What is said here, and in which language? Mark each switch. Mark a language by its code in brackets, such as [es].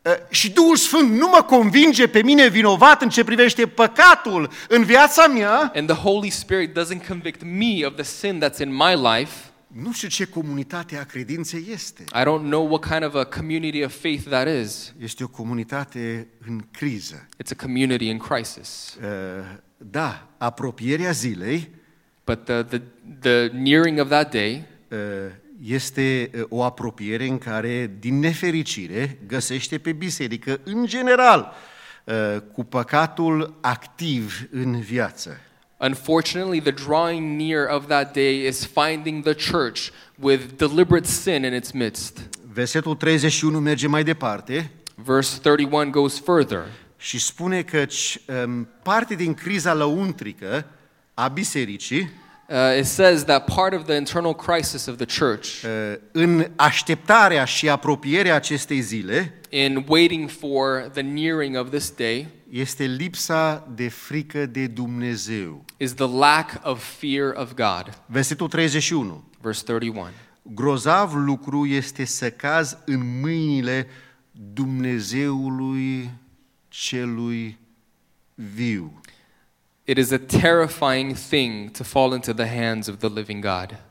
[ro] Și Duhul Sfânt nu mă convinge pe mine vinovat în ce privește păcatul în viața mea. [en] And the Holy Spirit doesn't convict me of the sin that's in my life. [ro] Nu știu ce comunitate a credinței este. [en] I don't know what kind of a community of faith that is. [ro] Este o comunitate în criză. [en] It's a community in crisis. [ro] Da, apropierea zilei. [en] But the nearing of that day [ro] este o apropiere în care, din nefericire, găsește pe biserică în general cu păcatul activ în viață. [en] Unfortunately, the drawing near of that day is finding the church with deliberate sin in its midst. [ro] Versetul 31 merge mai departe. [en] Verse 31 goes further. [ro] Și spune că parte din criza lăuntrică a bisericii. [en] It says that part of the internal crisis of the church, [ro] în așteptarea și apropierea acestei zile, [en] in waiting for the nearing of this day, [ro] este lipsa de frică de Dumnezeu. [en] Is the lack of fear of God. [ro] Versetul 31. [en] Verse 31. [ro] Grozav lucru este să cazi în mâinile Dumnezeului celui viu. [en] It is a terrifying thing to fall into the hands of the living God.